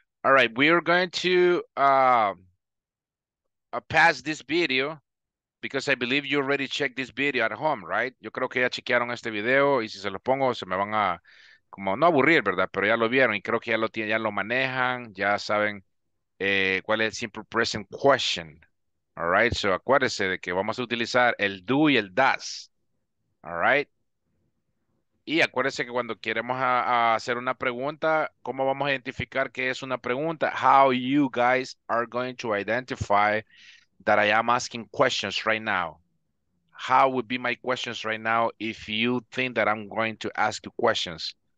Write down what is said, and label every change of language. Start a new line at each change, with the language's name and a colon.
English: All right, we are going to pass this video because I believe you already checked this video at home, right?
Spanish: Yo creo que ya chequearon este video y si se lo pongo se me van a, como no aburrir, ¿verdad? Pero ya lo vieron y creo que ya lo tienen, ya lo manejan, ya saben cuál es el simple present question. All right, so acuérdense de que vamos a utilizar el do y el does. All right. Y acuérdense que cuando queremos a hacer una pregunta, ¿cómo vamos a identificar qué es una pregunta?
English: How you guys are going to identify that I am asking questions right now? How would be my questions right now if you think that I'm going to ask you questions?